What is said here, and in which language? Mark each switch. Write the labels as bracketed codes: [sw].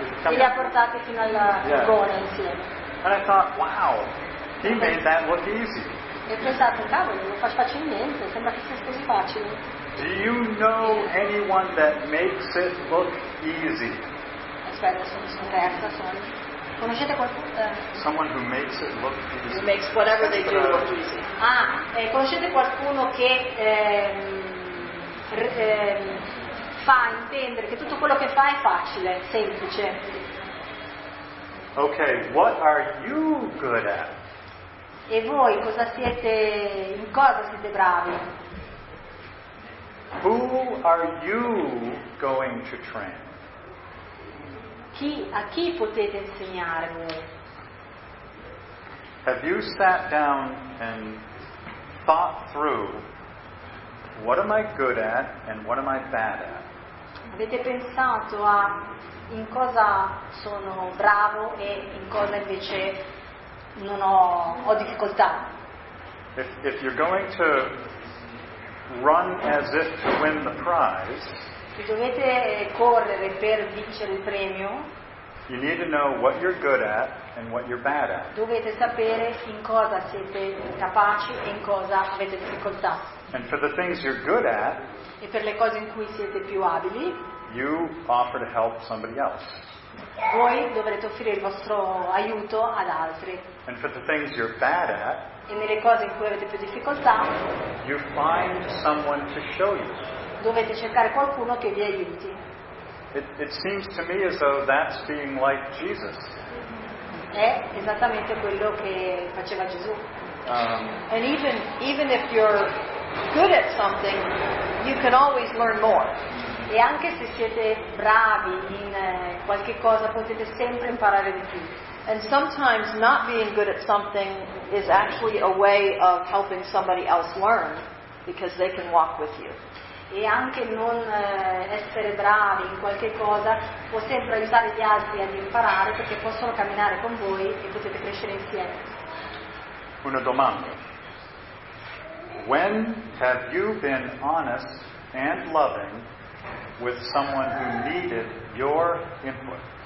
[it] E li ha portati fino al furgone insieme. [en] And I thought, wow, he made that look easy. [it] E ho pensato, cavolo, non fa facilmente, sembra che sia così facile. [en] Do you know anyone that makes it look easy? [it] Aspetta, sono persa, sono. Conoscete qualcuno? [en] Someone who makes it look easy. Who makes whatever they do look easy. [it] Conoscete qualcuno che fa intendere che tutto quello che fa è facile, semplice? [en] Okay, what are you good at? [it] E voi cosa siete, in cosa siete bravi? [en] Who are you going to train? [it] A chi potete insegnare voi? [en] Have you sat down and thought through what am I good at and what am I bad at? [it] Avete pensato a in cosa sono bravo e in cosa invece non ho difficoltà? [en] If you're going to run as if to win the prize, [it] se dovete correre per vincere il premio, [en] you need to know what you're good at and what you're bad at. [it] Dovete sapere in cosa siete capaci e in cosa avete difficoltà. [en] And for the things you're good at, [it] e per le cose in cui siete più abili, [en] you offer to help somebody else. [it] Voi dovrete offrire il vostro aiuto ad altri. [en] And for the things you're bad at, [it] e nelle cose in cui avete più difficoltà, [en] you find someone to show you. [it] Dovete cercare qualcuno che vi aiuti. [en] It seems to me as though that's being like Jesus. [it] È esattamente quello che faceva Gesù. [en] And even if you're good at something, you can always learn more. [it] E anche se siete bravi in qualche cosa potete sempre imparare di più. [en] And sometimes not being good at something is actually a way of helping somebody else learn because they can walk with you. [it] E anche non essere bravi in qualche cosa può sempre aiutare gli altri ad imparare perché possono camminare con voi e potete crescere insieme. Una domanda. [en] When have you been honest and loving with someone who needed your input?